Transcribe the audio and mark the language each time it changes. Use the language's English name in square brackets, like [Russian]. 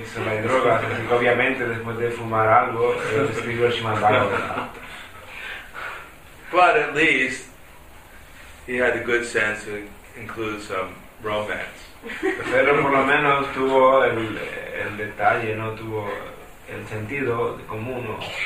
[Spanish] Eso no hay droga, así que obviamente después de fumar algo, escribió el Srimad Bhagavatam. [English] But at least he had the good sense to include some romance. [Spanish] Pero por lo menos tuvo el detalle, no tuvo el sentido común.